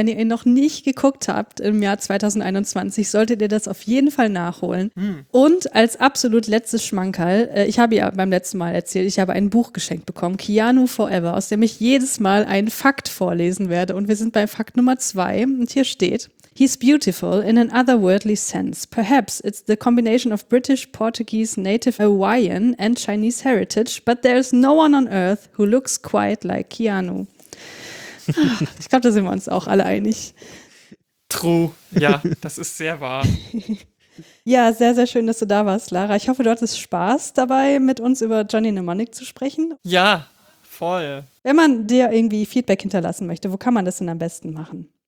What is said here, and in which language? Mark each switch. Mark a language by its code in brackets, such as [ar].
[de] Wenn ihr ihn noch nicht geguckt habt im Jahr 2021, solltet ihr das auf jeden Fall nachholen. Und als absolut letztes Schmankerl, ich habe ja beim letzten Mal erzählt, ich habe ein Buch geschenkt bekommen, Keanu Forever, aus dem ich jedes Mal einen Fakt vorlesen werde. Und wir sind bei Fakt Nummer 2 und hier steht: [en] He's beautiful in an otherworldly sense. Perhaps it's the combination of British, Portuguese, Native Hawaiian and Chinese heritage, but there's no one on earth who looks quite like Keanu. [de] Ich glaube, da sind wir uns auch alle einig. [en] True. [de] Ja, das ist sehr wahr. Ja, sehr, sehr schön, dass du da warst, Lara. Ich hoffe, du hattest Spaß dabei, mit uns über Johnny Mnemonic zu sprechen. Ja, voll. Wenn man dir irgendwie Feedback hinterlassen möchte, wo kann man das denn am besten machen?